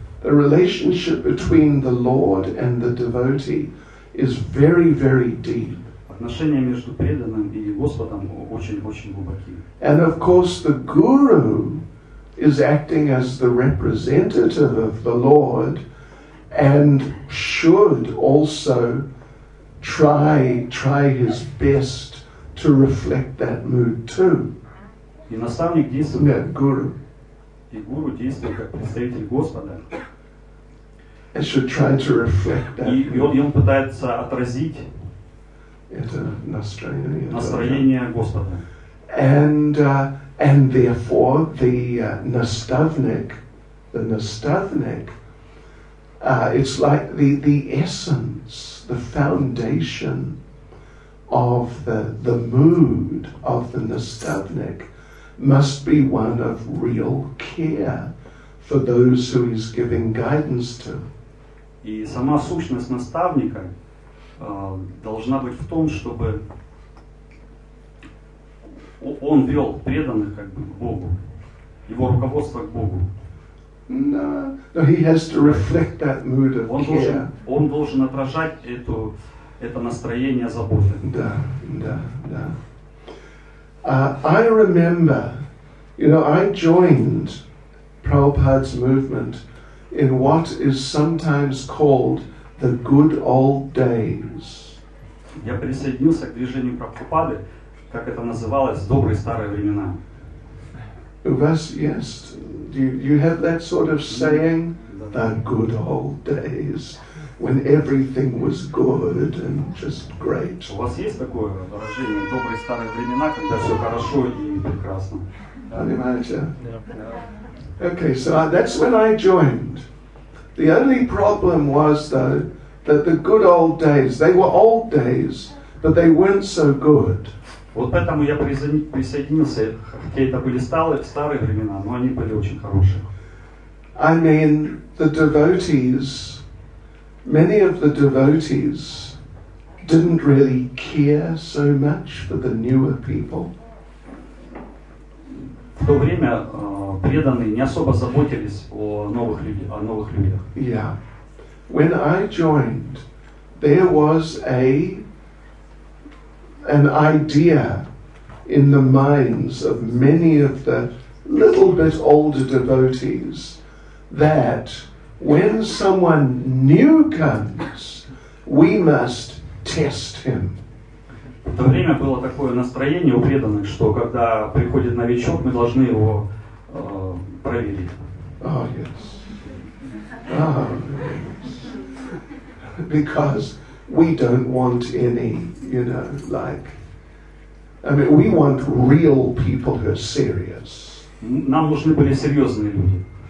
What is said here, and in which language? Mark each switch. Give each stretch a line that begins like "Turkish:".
English: The relationship between the Lord and the devotee is very, very deep.
Russian: Отношения между преданным и Господом очень-очень глубокие.
English: And of course the guru is acting as the representative of the Lord and should also try his best to reflect that mood too.
Russian: И наставник действует. Нет, гуру. И гуру действует как представитель Господа.
English: It should try to reflect that.
Russian: И он пытается отразить это настроение. Настроение Господа.
English: And therefore the nastavnik, it's like the essence, the foundation of the mood of the nastavnik must be one of real care for those who he's giving guidance to.
Russian: И сама сущность наставника должна быть в том, чтобы он вел преданных как бы к Богу, его руководство к Богу.
English: No, he has to reflect that mood of care.
Russian: Он должен отражать это настроение заботы. Да, да, да.
English: I remember, I joined Prabhupada's movement in what is sometimes called the good old days.
Russian: Я присоединился к движению Прабхупады, как это называлось, добрые старые времена. У вас есть?
English: Do you have that sort of saying? The good old days, when everything was good and just great.
Russian: У вас есть такое выражение, добрые старые времена, когда все хорошо и прекрасно? Понимаете?
English: Okay, so that's when I joined. The only problem was, though, that the good old days, they were old days, but they weren't so good.
Russian: Вот поэтому я присоединился, хотя это были старые времена, но они были очень хорошие.
English: I mean, the devotees, many of the devotees didn't really care so much for the newer people.
Russian: В то время преданные не особо заботились о новых людях.
English: Yeah. When I joined, there was an idea in the minds of many of the little bit older devotees that when someone new comes, we must test him.
Russian: В то время было такое настроение у преданных, что когда приходит новичок, мы должны его проверить.
English: Oh, yes. Oh, yes. Because we don't want any, you know, like... I mean, we want real people who are serious.
Russian: Нам нужны были серьезные люди.